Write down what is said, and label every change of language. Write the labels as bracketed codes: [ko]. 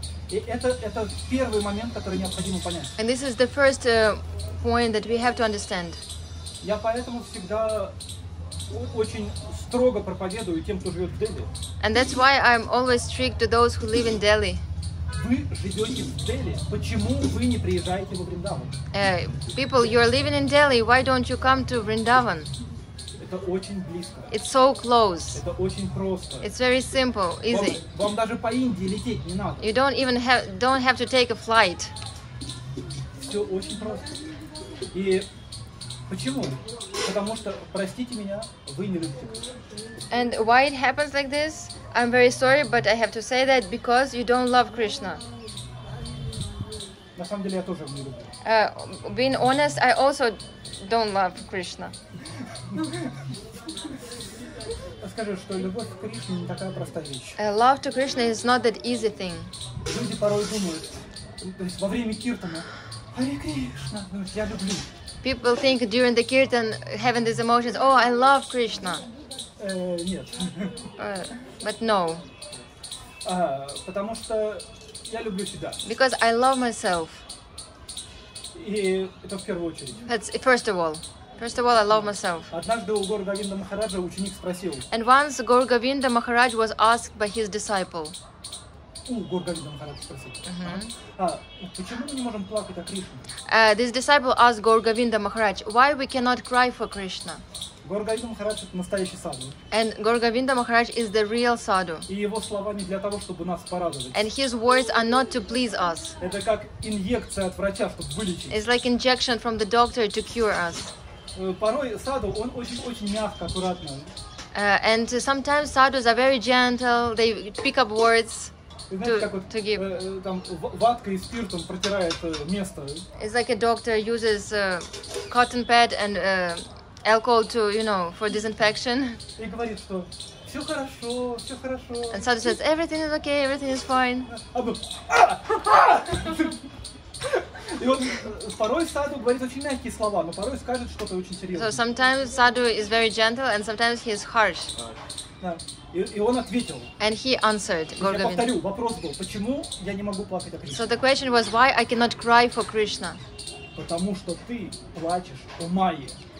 [ru] Это первый момент, который необходимо понять. [en] And this is the first point that we have to understand. [ru] Я поэтому всегда очень строго проповедую тем, кто живет в Дели. [en] And that's why I'm always strict to those who live in Delhi. [ru] Вы живете в Дели. Почему вы не приезжаете в Вриндаван? [en] People, you're living in Delhi. Why don't you come to Vrindavan? [ru] Это очень близко. [en] It's so close. [ru] Это очень просто. [en] It's very simple, easy. [ru] Вам даже по Индии лететь не надо. [en] You don't even have to take a flight. [ru] Все очень просто. И почему? Потому что, простите меня, вы не любите. [en] And why it happens like this? I'm very sorry, but I have to say that because you don't love Krishna. [ru] На самом деле я тоже не люблю. [en] Being honest, I also don't love Krishna. [ru] Скажи, что любовь к Кришне не такая простая вещь. [en] Love to Krishna is not that easy thing. [ru] Люди порой думают, то есть во время киртана, Харе Кришна, я люблю. [en] People think during the kirtan having these emotions, oh, I love Krishna. [ru] Нет. [en] But no. [ru] Потому что я люблю себя. [en] Because I love myself. [ru] И это в первую очередь. [en] That's First of all, I love myself. [ru] Однажды у Гор Говинда Махараджа ученик спросил. [en] And once Гор Говинда Махарадж was asked by his disciple. [ru] У Гор Говинда Махараджа спросил. Почему мы не можем плакать о [en] Кришне? This disciple asked Гор Говинда Махарадж, why we cannot cry for Krishna? [ru] Гор Говинда Махарадж это настоящий саду. [en] And Гор Говинда Махарадж is the real sadhu. [ru] И его слова не для того, чтобы нас порадовать. [en] And his words are not to please us. [ru] Это как инъекция от врача, чтобы вылечить. [en] It's like injection from the doctor to cure us. [ru] Порой саду он очень-очень мягко, аккуратно. [en] And sometimes sadhus are very gentle, they pick up words to give. [ru] Там ваткой и спиртом протирает место. [en] It's like a doctor uses cotton pad and alcohol to, you know, for disinfection. [ru] И говорит, что все хорошо, все хорошо. [en] And Sadhu says, everything is okay, everything is fine. [ru] И он порой Саду говорит очень мягкие слова, но порой скажет что-то очень серьезное. [en] So sometimes Sadhu is very gentle and sometimes he is harsh. [ru] И он ответил. [en] And he answered. [ru] Я повторю, вопрос был, почему я не могу плакать о Кришне? [en] So the question was, why I cannot cry for Krishna? [ru] Потому что ты плачешь о Майе.